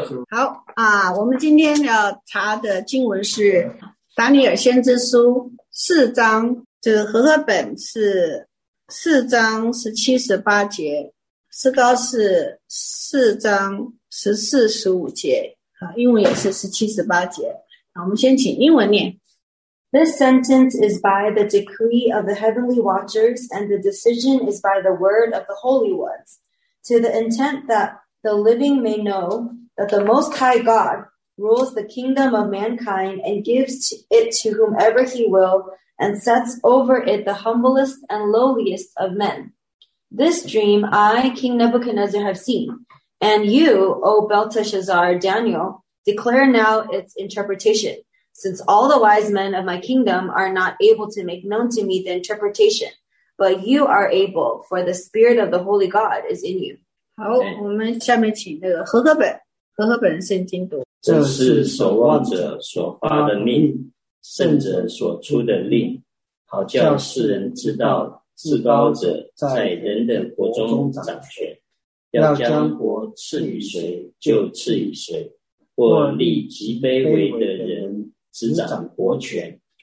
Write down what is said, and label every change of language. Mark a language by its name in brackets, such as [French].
[Chinese] 好啊，我们今天要查的经文是《达尼尔先知书》四章，这个和合本是四章十七十八节，诗歌是四章十四十五节，英文也是十七十八节。我们先请英文念。 [English] This sentence is by the decree of the heavenly watchers, and the decision is by the word of the holy ones, to the intent that the living may know that the Most High God rules the kingdom of mankind and gives it to whomever he will, and sets over it the humblest and lowliest of men. This dream I, King Nebuchadnezzar, have seen, and you, O Belteshazzar, Daniel, declare now its interpretation, since all the wise men of my kingdom are not able to make known to me the interpretation, but you are able, for the spirit of the holy God is in you. [Chinese] 好，我们下面请那个和合本，和合本圣经读。这是守望者所发的命，圣者所出的令，好叫世人知道至高者在人的国中掌权，要将国赐予谁就赐予谁，或立极卑微的人执掌国权。